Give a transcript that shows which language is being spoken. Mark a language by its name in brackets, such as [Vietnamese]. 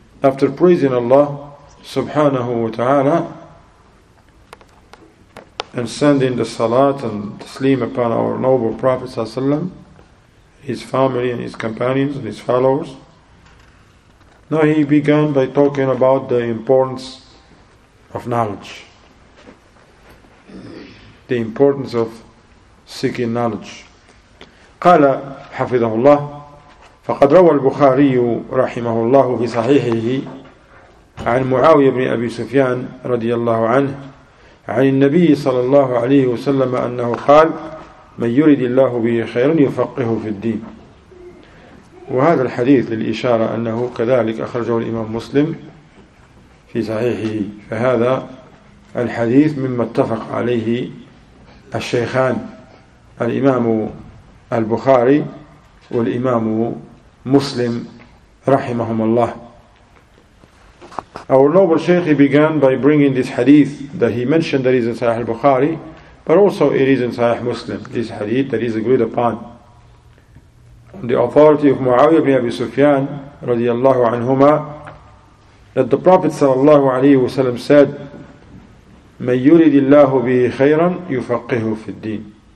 [English] After praising Allah [Arabic] سبحانه وتعالى [English] and sending the salat and taslim upon our noble Prophet [Arabic] صلى الله عليه وسلم, [English] his family and his companions and his followers, now he began by talking about the importance of knowledge, the importance of seeking knowledge. [Arabic] قال حفظه الله: فقد روى البخاري رحمه الله في صحيحه عن معاوية بن أبي سفيان رضي الله عنه عن النبي صلى الله عليه وسلم أنه قال: من يرد الله به خيرا يفقهه في الدين. وهذا الحديث للإشارة أنه كذلك أخرجه الإمام مسلم في صحيحه، فهذا الحديث مما اتفق عليه الشيخان الإمام البخاري والإمام مسلم رحمهم الله. [English] Our noble Sheikh began by bringing this hadith that he mentioned that is in Sahih al-Bukhari, but also it is in Sahih Muslim, this hadith that is agreed upon. On the authority of Muawiyah ibn Abi Sufyan radiyallahu anhuma, that the Prophet sallallahu alayhi wa sallam said, [Arabic] مَنْ يُرِدِ اللَّهُ بِهِ خَيْرًا يُفَقِّهُ فِي الدِّينِ.